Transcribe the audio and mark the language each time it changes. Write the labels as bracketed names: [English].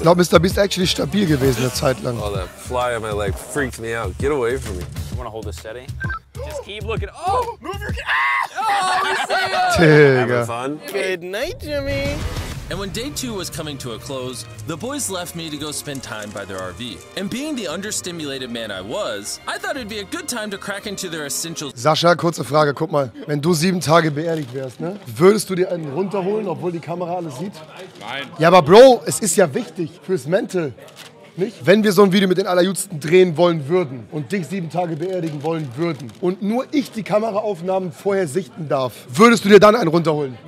[English] it? No, MrBeast actually [German] stabil gewesen eine Zeit lang. [English] Oh, that fly on my leg freaked me out. Get away from me. You wanna hold this steady? Just keep looking. Oh! Move your ah! Oh, we see Tigger. Have fun. Good night, Jimmy. And when day two was coming to a close, the boys left me to go spend time by their RV. And being the understimulated man I was, I thought it'd be a good time to crack into their essentials. [German] Sascha, kurze Frage, guck mal, wenn du 7 Tage beerdigt wärst, ne, würdest du dir einen runterholen, obwohl die Kamera alles sieht? Nein. Ja, aber Bro, es ist ja wichtig fürs Mental. Nicht? Wenn wir so ein Video mit den Allerjüngsten drehen wollen würden und dich 7 Tage beerdigen wollen würden und nur ich die Kameraaufnahmen vorher sichten darf, würdest du dir dann einen runterholen?